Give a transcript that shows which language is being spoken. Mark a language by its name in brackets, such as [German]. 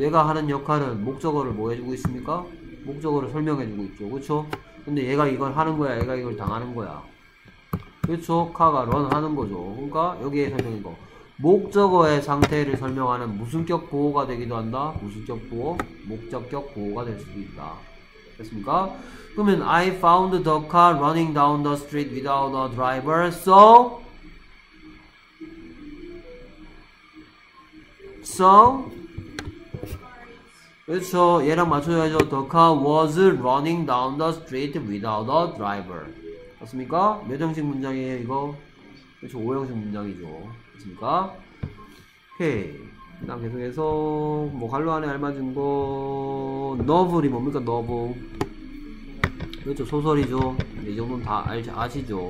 [Korean] 얘가 하는 역할은 목적어를 뭐 해주고 있습니까? 목적어를 설명해주고 있죠. 그렇죠. 근데 얘가 이걸 하는 거야, 얘가 이걸 당하는 거야. 그렇죠. 카가 런 하는 거죠. 그러니까 여기에 설명인 거. 목적어의 상태를 설명하는 무슨격 보호가 되기도 한다. 무슨격 보호? 목적격 보호가 될 수도 있다. 됐습니까? [English] 그러면 I found the car running down the street without a driver. [Korean] So 그렇죠. 얘랑 맞춰줘야죠. [English] The car was running down the street without a driver. [Korean] 맞습니까? 몇 형식 문장이에요, 이거? 그렇죠. 5형식 문장이죠. 맞습니까? 오케이. 그다음 계속해서 뭐 갈로 안에 알맞은 거 novel이 뭡니까? novel. 그렇죠. 소설이죠. 이 정도는 다 아시죠.